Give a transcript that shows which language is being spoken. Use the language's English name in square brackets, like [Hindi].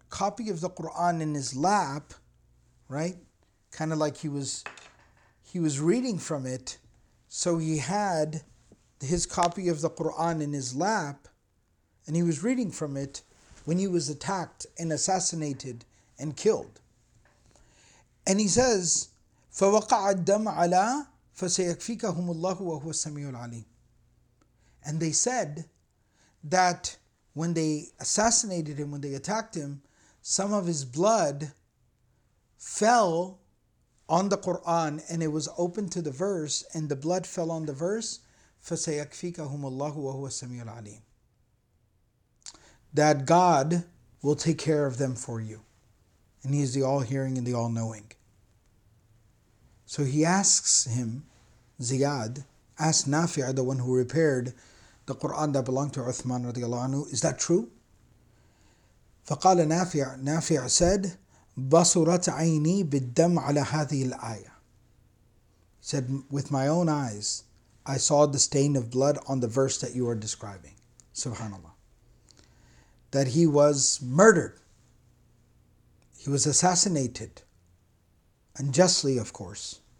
[English] copy of the Quran in his lap, right? Kind of like he was reading from it. So he had his copy of the Quran in his lap and he was reading from it when he was attacked and assassinated and killed. And he says, [Arabic] فَوَقَعَ الدَّمْ عَلَىٰ فَسَيَكْفِيكَهُمُ اللَّهُ وَهُوَ السَّمِيعُ الْعَلِيمُ. [English] And they said that when they assassinated him, when they attacked him, some of his blood fell on the Quran and it was open to the verse and the blood fell on the verse, [Arabic] فَسَيَكْفِيكَهُمُ اللَّهُ وَهُوَ السَّمِيعُ الْعَلِيمُ. [English] That God will take care of them for you. And he is the all-hearing and the all-knowing. So he asks him, Ziyad, asks Nafi', the one who repaired the Qur'an that belonged to Uthman radiallahu anhu, is that true? [Arabic] فَقَالَ Nafi' said, بَصُرَتْ عَيْنِي بِالدَّمْ عَلَى هَذِهِ الْآيَةِ. [English] He said, with my own eyes, I saw the stain of blood on the verse that you are describing. SubhanAllah. That he was murdered. He was assassinated. Unjustly, of course.